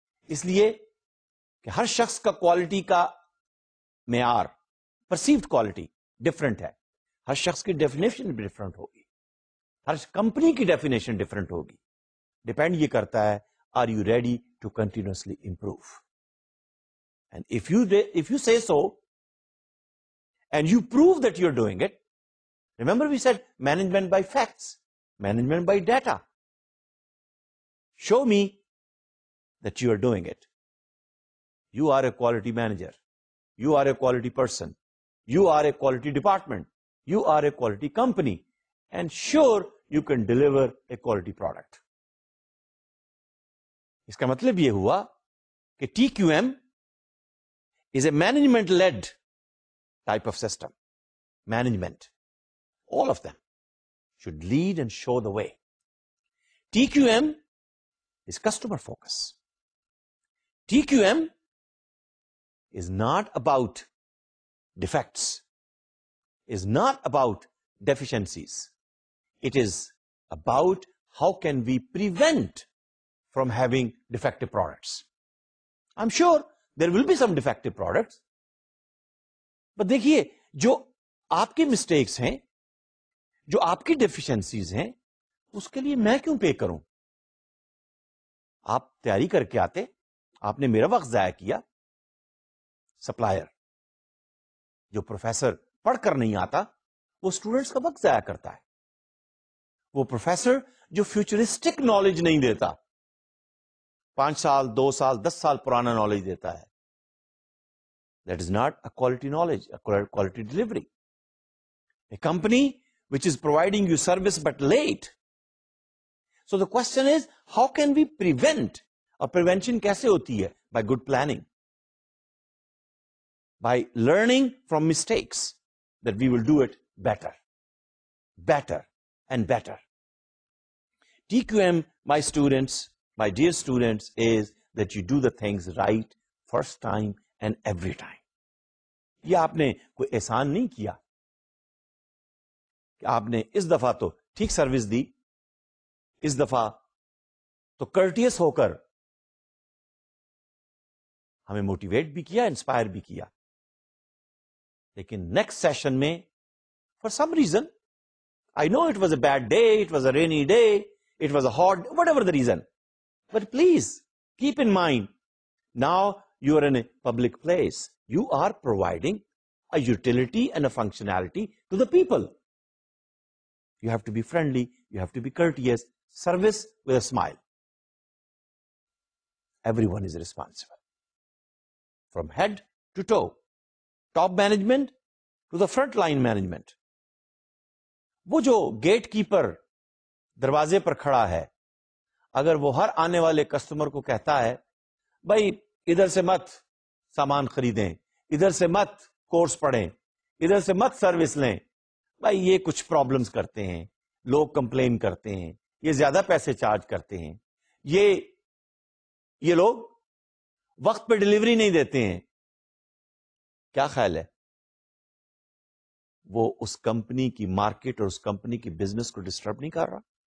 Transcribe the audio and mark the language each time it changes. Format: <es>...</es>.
<ur>اس لیے کہ ہر شخص کا کوالٹی کا معیار, پرسیوڈ کوالٹی ڈفرنٹ ہے, ہر شخص کی ڈیفینیشن بھی ڈفرنٹ ہوگی, ہر کمپنی کی ڈیفینیشن ڈفرنٹ ہوگی. ڈپینڈ یہ کرتا ہے,</ur> <en>Are you ready to continuously improve, and if you say so and you prove that you're doing it. Remember we said management by facts, management by data. Show me that you are doing it. You are a quality manager. You are a quality person. You are a quality department. You are a quality company. And sure, you can deliver a quality product.</en> <ur>Iska matlab ye hua ki</ur> <en>TQM is a management-led type of system. Management, all of them should lead and show the way. TQM is customer focus. TQM is not about defects, is not about deficiencies. It is about how can we prevent from having defective products. I'm sure there will be some defective products, but</en> <ur>دیکھیے جو آپ کے mistakes ہیں, جو آپ کی deficiencies ہیں, اس کے لیے میں کیوں پے کروں؟ آپ تیاری کر کے آتے, آپ نے میرا وقت ضائع کیا. سپلائر جو پروفیسر پڑھ کر نہیں آتا, وہ اسٹوڈنٹس کا وقت ضائع کرتا ہے. وہ پروفیسر جو فیوچرسٹک نالج نہیں دیتا, 5 سال 2 سال 10 سال پرانا نالج دیتا ہے,</ur> <en>that is not a quality knowledge, a quality delivery. A company which is providing you service but late. So the question is, how can we prevent? A prevention</en> <ur>kaise hoti hai?</ur> <en>By good planning, by learning from mistakes, that we will do it better, better and better. TQM, my students, my dear students, is that you do the things right first time and every time.</en> <ur>یہ آپ نے کوئی احسان نہیں کیا کہ آپ نے اس دفعہ تو ٹھیک سروس دی, اس دفعہ تو کرٹیس ہو کر ہمیں موٹیویٹ بھی کیا, انسپائر بھی کیا, لیکن نیکسٹ سیشن میں</ur> <en>For some reason, I know it was a bad day, it was a rainy day, it was a hot, whatever the reason, but please keep in mind now you are in a public place. You are providing a utility and a functionality to the people. You have to be friendly, you have to be courteous, service with a smile. Everyone is responsible. From head to toe, top management to the front line management.</en> <ur>Wo jo gatekeeper darwaze par khada hai, agar wo har aane wale customer ko kehta hai, bhai idhar se mat saman khareedein, ادھر سے مت course پڑھیں, ادھر سے مت service لیں, بھائی یہ کچھ پرابلمز کرتے ہیں, لوگ کمپلین کرتے ہیں, یہ زیادہ پیسے چارج کرتے ہیں, یہ لوگ وقت پہ ڈلیوری نہیں دیتے ہیں, کیا خیال ہے؟ وہ اس کمپنی کی مارکیٹ اور اس کمپنی کی بزنس کو ڈسٹرب نہیں کر رہا.</ur>